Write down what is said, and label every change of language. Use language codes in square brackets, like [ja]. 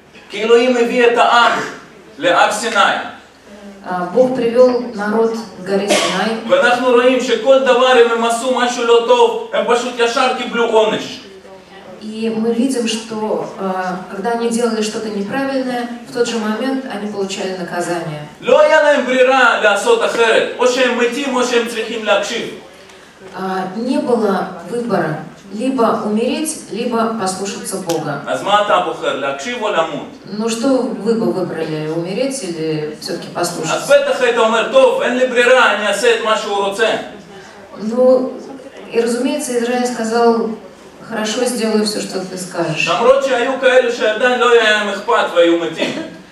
[ru] Бог привел народ к горе Синай. И мы видим, что когда они делали что-то неправильное, в тот же момент они получали наказание. [he] לא היה להם ברירה לעשות אחרת, או שהם מתים או שהם צריכים להקשיב. [ru] Не было выбора, либо умереть, либо послушаться Бога. [he] אז מה אתה בוחר, להקשיב או למות? [ru] Ну что вы бы выбрали, умереть или все-таки послушаться? [he] אז בטח היית אומר, טוב, אין לי ברירה, אני אעשה את מה שהוא רוצה. [ru] Ну, и разумеется, Израиль сказал, хорошо, сделаю все, что ты скажешь. [he] למרות שהיו כאלה שעדיין לא היה להם אכפת והיו מתים.